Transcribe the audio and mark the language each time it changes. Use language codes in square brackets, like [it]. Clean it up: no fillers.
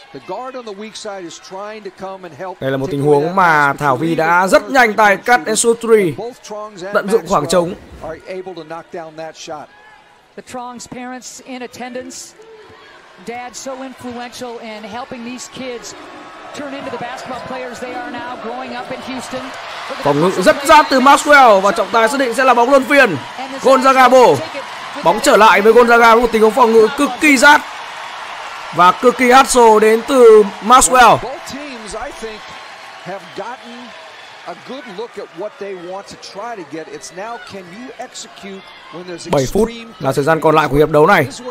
[en] The guard on the weak side is trying to come and help. [vi] Đây là một tình huống mà Thảo Vy đã rất nhanh tay cắt Esotri, tận dụng khoảng trống. [en] Are able to knock down that shot. The Trong's parents in attendance. Dad so influential in helping these kids turn into the basketball players they are now growing up in Houston. [vi] Phòng ngự rất rát từ Maxwell và trọng tài xác định sẽ là bóng luân phiên. Gonzaga bổ. Bóng trở lại với Gonzaga với một tình huống phòng ngự cực kỳ rát và cực kỳ hustle đến từ Maxwell. [en] Both teams, I think, have gotten a good look at what they want to try to get. It's now can you execute when there's [vi] 7 phút là thời gian còn lại của hiệp đấu này.